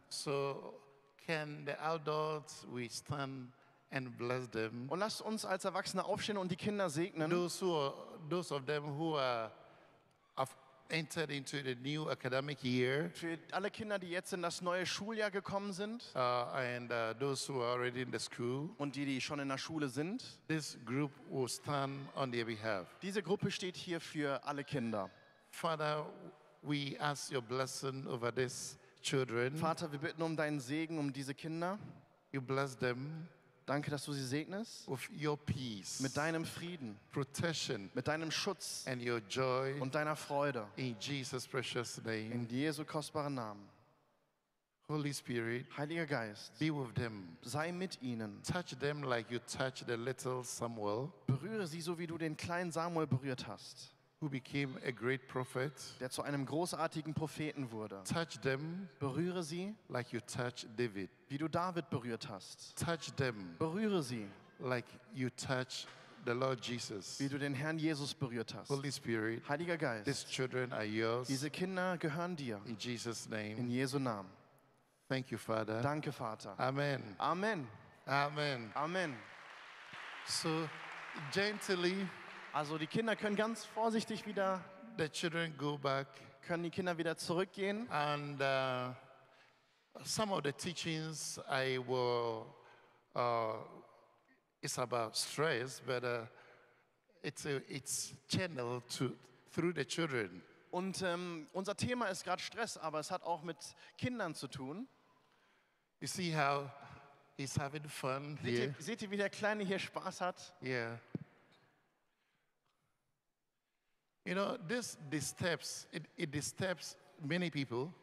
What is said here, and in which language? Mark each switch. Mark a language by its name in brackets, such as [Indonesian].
[English] So can the adults we stand and bless them. [German] Und lasst uns als Erwachsene aufstehen und die Kinder segnen. [English] Those of them who are entered into the new academic year. [German] Für alle Kinder, die jetzt in das neue Schuljahr gekommen sind. [English] And those who are already in the school. [German] Und die schon in der Schule sind. [English] This group will stand on their behalf. [German] Diese Gruppe steht hier für alle Kinder. [English] Father, we ask your blessing over these children. [German] Vater, wir bitten um deinen Segen um diese Kinder. [English] You bless them. [German] Danke, dass du sie segnest. [English] With your peace, [German] mit deinem Frieden, [English] protection, [German] mit deinem Schutz, [English] and your joy, [German] und deiner Freude. [English] In Jesus' precious name. [German] In Jesu kostbaren Namen. [English] Holy Spirit, [German] Heiliger Geist, [English] be with them. [German] Sei mit ihnen. [English] Touch them like you touch the little Samuel. [German] Berühre sie so, wie du den kleinen Samuel berührt hast. [English] who became a great prophet, [German] der zu einem großartigen Propheten wurde. [English] Touch them, [German] berühre sie, [English] like you touch David, [German] wie du David berührt hast. [English] Touch them, [German] berühre sie, [English] like you touch the Lord Jesus, [German] wie du den Herrn Jesus berührt hast. [English] Holy Spirit, [German] Heiliger Geist, [English] these children are yours, [German] diese Kinder gehören dir. [English] In Jesus' name, [German] in Jesu Namen. [English] Thank you, Father. [German] Danke, Vater. [English] Amen. [German] Amen. [English] Amen. [German] Amen. [English] So, gently. [German] Also die Kinder können ganz vorsichtig wieder. [English] The children go back. [German] Können die Kinder wieder zurückgehen? [English] And some of the teachings I will. It's about stress, but it's channeled to through the children. [German] Und unser Thema ist gerade Stress, aber es hat auch mit Kindern zu tun. [English] You see how he's having fun here. [German] Seht ihr, wie der Kleine hier Spaß hat? [English] Yeah. You know, this disturbs it disturbs many people.